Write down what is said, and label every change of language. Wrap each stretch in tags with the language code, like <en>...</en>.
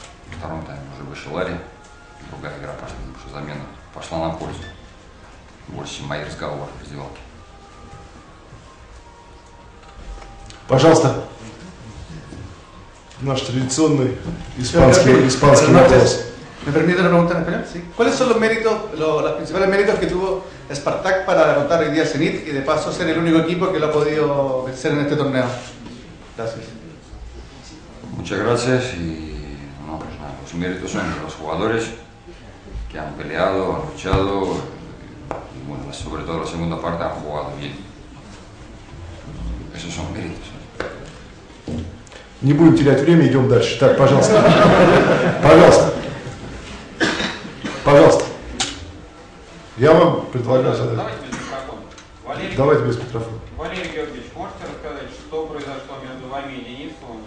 <ru>В втором тайме уже вышел Ларри. Другая игра пошла, потому что замена пошла на пользу. Больше мои разговоры в раздевалке. Пожалуйста. Наш традиционный испанский вопрос.</ru> <es>Me permite una pregunta en español, sí. ¿Cuáles son los méritos, los principales méritos que tuvo Spartak para derrotar hoy día a Zenit y de paso ser el único equipo que lo ha podido vencer en este torneo? Gracias. Muchas gracias y no, pues nada, los méritos son de los jugadores que han peleado, han luchado y bueno, sobre todo la segunda parte han jugado bien. Esos son méritos.</es> <ru>Не будем терять время, идем дальше. Так, пожалуйста. Пожалуйста. Пожалуйста, я вам предлагаю задать. Давайте без микрофона. Давайте без микрофона. Валерий Георгиевич, можете рассказать, что произошло между вами и Денисовым?</ru>